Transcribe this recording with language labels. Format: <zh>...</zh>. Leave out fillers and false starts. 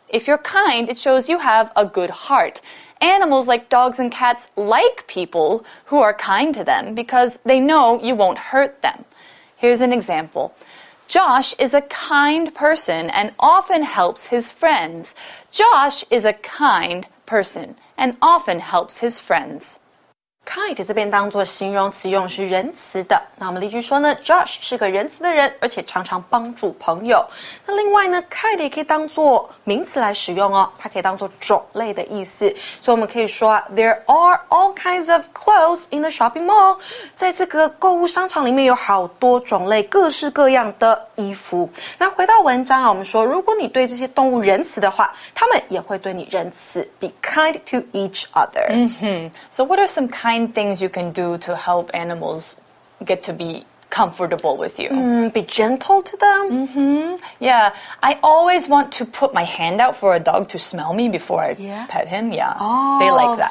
<en>If you're kind, it shows you have a good heart. Animals like dogs and cats like people who are kind to them because they know you won't hurt them. Here's an example. Josh is a kind person and often helps his friends. Josh is a kind person and often helps his friends.</en> <zh>Kind 这边当作形容词用是仁慈的。那我们例句说呢 ，Josh 是个仁慈的人，而且常常帮助朋友。那另外呢 ，kind 也可以当作名词来使用哦，它可以当作种类的意思。所以我们可以说</zh> <en>，There are all kinds of clothes in the shopping mall.</en> <zh>在这个购物商场里面有好多种类、各式各样的衣服。那回到文章啊，我们说，如果你对这些动物仁慈的话，他们也会对你仁慈。</zh> <en>Be kind to each other. Mm-hmm. So what are some kind things you can do to help animals get to be comfortable with you? Be gentle to them. Mm-hmm. Yeah, I always want to put my hand out for a dog to smell me before I pet him. Yeah, oh, they like that.</en>